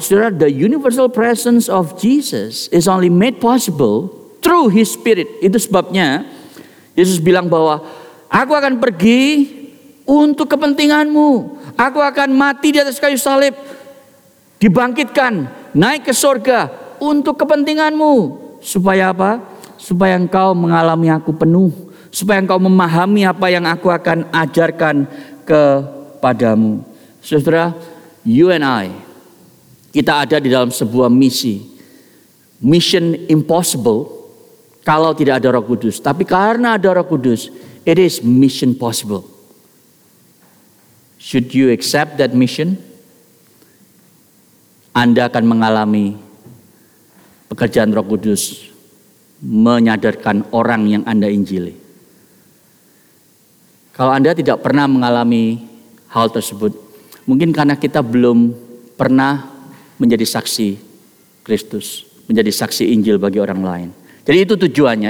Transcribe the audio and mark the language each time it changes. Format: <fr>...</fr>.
<en>Saudara, the universal presence of Jesus is only made possible through his spirit.</en> <id>Itu sebabnya Yesus bilang bahwa aku akan pergi untuk kepentinganmu. Aku akan mati di atas kayu salib, dibangkitkan, naik ke surga untuk kepentinganmu. Supaya apa? Supaya engkau mengalami aku penuh. Supaya engkau memahami apa yang aku akan ajarkan kepadamu. Saudara,</id> <en>you and I,</en> <id>kita ada di dalam sebuah misi.</id> <en>Mission impossible</en> <id>kalau tidak ada Roh Kudus. Tapi karena ada Roh Kudus,</id> <en>it is mission possible. Should you accept that mission?</en> <id>Anda akan mengalami pekerjaan Roh Kudus menyadarkan orang yang Anda injili. Kalau Anda tidak pernah mengalami hal tersebut, mungkin karena kita belum pernah menjadi saksi Kristus, menjadi saksi Injil bagi orang lain. Jadi itu tujuannya.</id>